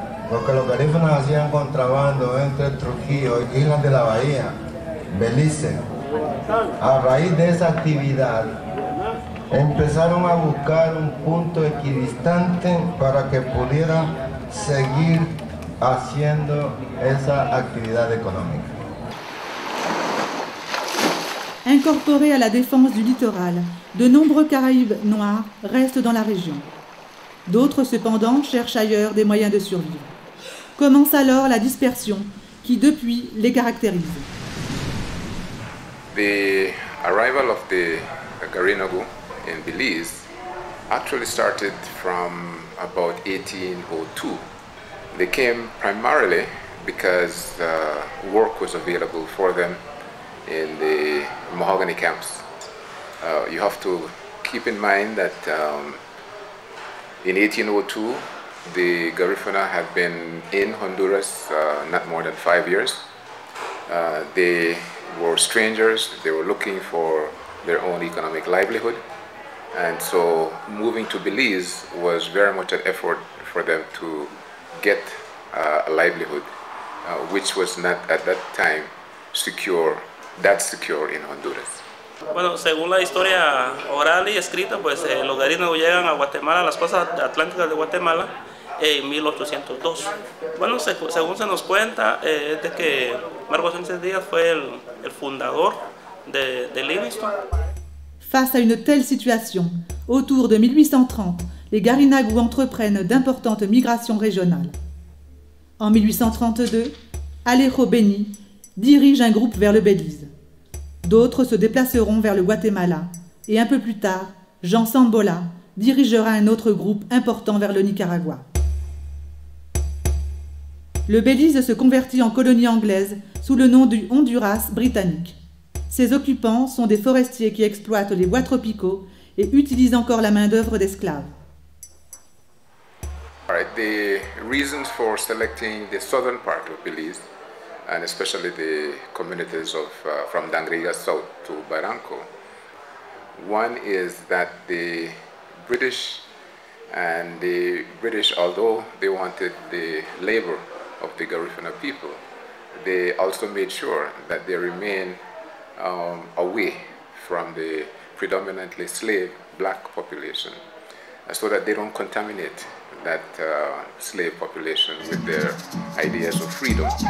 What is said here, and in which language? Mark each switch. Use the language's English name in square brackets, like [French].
[Spanish] Porque los garífunas hacían contrabando entre Trujillo y Islas de la Bahía, Belice. A raíz de esa actividad, empezaron a buscar un punto equidistante para que pudieran seguir haciendo esa actividad económica. [French] Incorporés à la défense du littoral, de nombreux Caraïbes noirs restent dans la région. D'autres, cependant, cherchent ailleurs des moyens de survivre. Commence alors la dispersion qui, depuis, les caractérise. [English] The arrival of the Garinagu in Belize actually started from about 1802. They came primarily because work was available for them in the mahogany camps. You have to keep in mind that in 1802, the Garifuna had been in Honduras not more than 5 years. They were strangers. They were looking for their own economic livelihood. And so moving to Belize was very much an effort for them to get a livelihood, which was not at that time secure in Honduras. [Spanish] Bueno, según la historia oral y escrita, pues los garífunas llegan a Guatemala, a las costas atlánticas de Guatemala, en 1802. Bueno, según se nos cuenta, es de que Marcos Sánchez Díaz fue el fundador de Livingston. [French] Face à une telle situation, autour de 1830, les Garinagou entreprennent d'importantes migrations régionales. En 1832, Alejo Beni dirige un groupe vers le Belize. D'autres se déplaceront vers le Guatemala. Et un peu plus tard, Jean Sambola dirigera un autre groupe important vers le Nicaragua. Le Belize se convertit en colonie anglaise sous le nom du Honduras britannique. Ses occupants sont des forestiers qui exploitent les bois tropicaux et utilisent encore la main-d'œuvre d'esclaves. [English] All right, the reasons for selecting the southern part of Belize, and especially the communities of from Dangriga South to Barranco, one is that the British, although they wanted the labor of the Garifuna people, they also made sure that they remain away from the predominantly slave black population, so that they don't contaminate that slave population with their ideas of freedom.